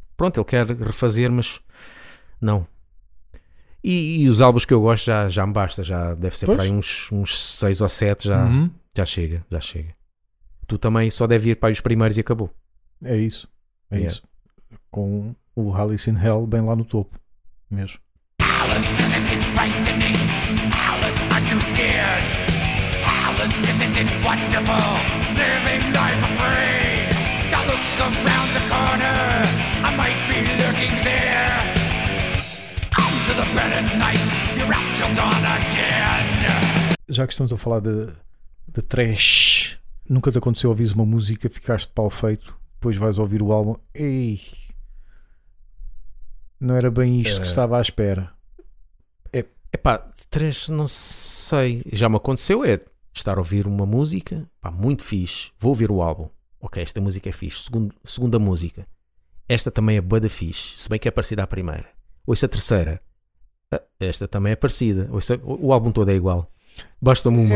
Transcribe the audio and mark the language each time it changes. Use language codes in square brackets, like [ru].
[pt] Pronto, ele quer refazer, mas não. E os álbuns que eu gosto já me basta, já deve ser para aí uns 6 ou 7, já chega. Tu também só deve ir para aí os primeiros e acabou. É isso, é isso. Com o Alice in Hell bem lá no topo, mesmo. [en] Alice, isn't it Alice, aren't you scared? Isn't it wonderful living life afraid? Now look around the corner, I might be lurking there. Come to the bed at night, you're out till dawn again. [pt] Já que estamos a falar de trash, nunca te aconteceu ouvir uma música, ficaste de pau feito, depois vais ouvir o álbum, ei, não era bem isto que estava à espera. Epá, trash, não sei, já me aconteceu, estar a ouvir uma música, pá, muito fixe, vou ouvir o álbum, ok, esta música é fixe, segunda música, esta também é bué da fixe, se bem que é parecida à primeira, ouço a terceira, esta também é parecida, o álbum todo é igual, basta-me uma.